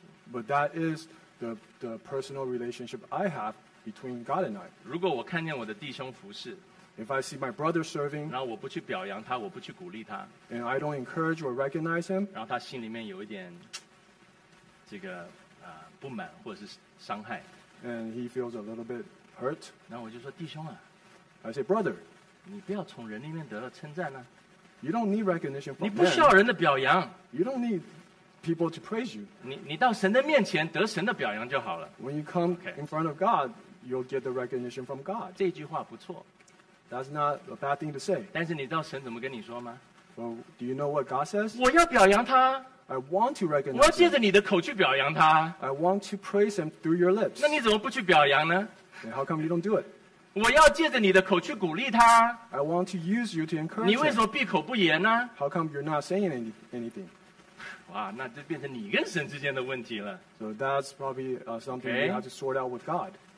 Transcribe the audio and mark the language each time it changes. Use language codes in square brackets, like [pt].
[en] But that is the personal relationship I have between God and I. [zh] 如果我看见我的弟兄服侍, [en] if I see my brother serving, [zh] 然后我不去表扬他, 我不去鼓励他, [en] and I don't encourage or recognize him, [zh] 然后他心里面有一点, 这个, 不满或者是伤害, [en] and he feels a little bit hurt, [zh] 然后我就说, 弟兄啊, [en] I say, brother, [zh] 你不要从人里面得到称赞啊, [en] you don't need recognition from [zh] 你不需要人的表扬, [en] you don't need people to praise you. [zh] 你到神的面前得神的表扬就好了。When [en] you come in front of God, you'll get the recognition from God. [zh] 这句话不错。That's [en] not a bad thing to say. [zh] 但是你知道神怎么跟你说吗? [en] Well, do you know what God says? [zh] 我要表扬他。I [en] want to recognize [zh] 我要借着你的口去表扬他。I [en] want to praise him through your lips. [zh] 那你怎么不去表扬呢? [en] And how come you don't do it? [zh] 我要借着你的口去鼓励他。I [en] want to use you to encourage [zh] him. 你为什么闭口不言呢? [en] How come you're not saying anything? [zh] 哇，那就变成你跟神之间的问题了。So [en] that's probably something you have to sort out with God.